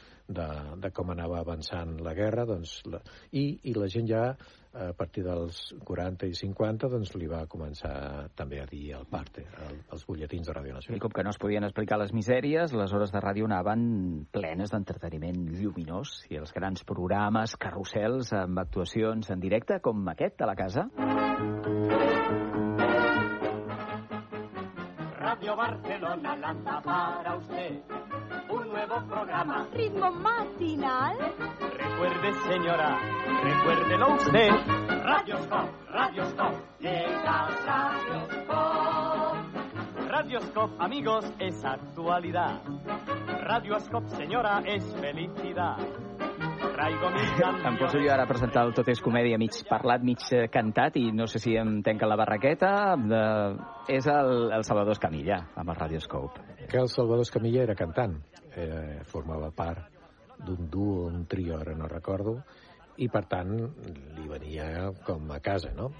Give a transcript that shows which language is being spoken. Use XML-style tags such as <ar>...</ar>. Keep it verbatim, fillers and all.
<ca>De, de com anava avançant la guerra, doncs, la, i, i la gent ja, a partir dels quaranta i cinquanta, doncs li va començar també a dir el parte, el, els butlletins de Ràdio Nacional. I com que no es podien explicar les misèries, les hores de ràdio anaven plenes d'entreteniment lluminós i els grans programes, carrusels, amb actuacions en directe, com aquest a la casa.</ca> <es>Radio Barcelona lanza para usted un nuevo programa. Ritmo matinal. Recuerde, señora, recuérdelo usted. Radio Scoop, Radio Scoop, llega Radio Scoop. Radio Scoop, amigos, es actualidad. Radio Scoop, señora, es felicidad.</es> <ca>Em poso jo ara a presentar el Tot és comèdia, mig parlat, mig cantat, i no sé si em tenca la barraqueta. De... És el, el Salvador Escamilla, amb el Radioscope. Que el Salvador Escamilla era cantant. Eh, formava part d'un duo, un trio, ara no recordo, i per tant li venia com a casa, no?</ca>